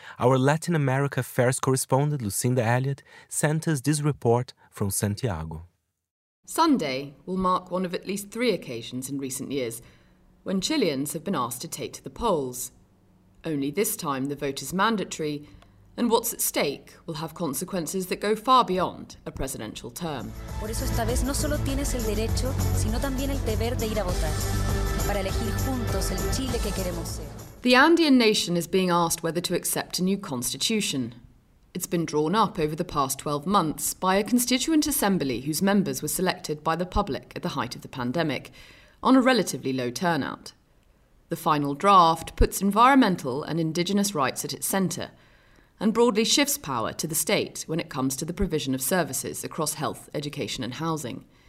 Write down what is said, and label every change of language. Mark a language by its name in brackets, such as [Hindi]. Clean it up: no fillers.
[English] Our Latin America affairs correspondent Lucinda Elliott sent us this report from Santiago. Sunday will mark one of at least three occasions in recent years when Chileans have been asked to take to the polls. Only this time the vote is mandatory, and what's at stake will have consequences that go far beyond a presidential term. [Spanish] Por eso esta vez no solo tienes el derecho, sino también el deber de ir a votar, para elegir juntos el Chile que queremos ser. [English] The Andean nation is being asked whether to accept a new constitution. It's been drawn up over the past 12 months by a constituent assembly whose members were selected by the public at the height of the pandemic, on a relatively low turnout. The final draft puts environmental and indigenous rights at its centre, and broadly shifts power to the state when it comes to the provision of services across health, education and housing.